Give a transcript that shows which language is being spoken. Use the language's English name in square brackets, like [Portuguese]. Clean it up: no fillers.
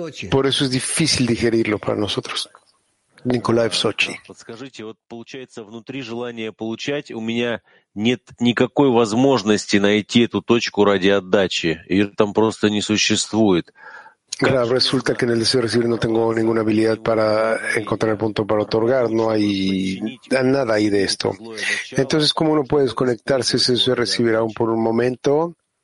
[Spanish] Por eso es difícil digerirlo para nosotros. [Russian] Николай в Сочи. Подскажите, вот получается, внутри желание получать, у меня нет никакой возможности найти эту точку ради отдачи. Ее там просто не существует. [Spanish] Claro, resulta que en el deseo de recibir no tengo ninguna habilidad para encontrar el punto para otorgar, no hay nada ahí de esto. Entonces, ¿cómo uno puede desconectarse si se recibirá aún por un momento?